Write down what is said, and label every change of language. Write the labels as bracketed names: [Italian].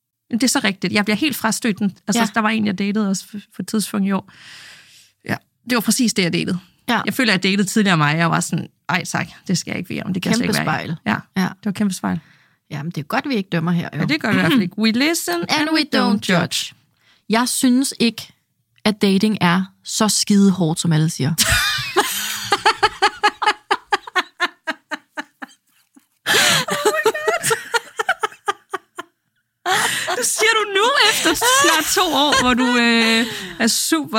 [Danish] Det er så rigtigt. Jeg bliver helt frastødt. Altså, der var en, jeg datede også for et tidspunkt i år. Ja, det var præcis det, jeg datede. Ja. Jeg føler, at jeg datede tidligere mig. Jeg var sådan, ej tak, det skal jeg ikke være om. Det kan kæmpe slet ikke spejl. Ja. Ja, det var kæmpe spejl. Jamen, det er godt, vi ikke dømmer her. Jo. Ja, det gør vi i hvert fald ikke. [English] We listen and we don't judge. [Danish] Jeg synes ikke, at dating er så skide hårdt, som alle siger. Siger du nu efter snart 2 år, hvor du er super?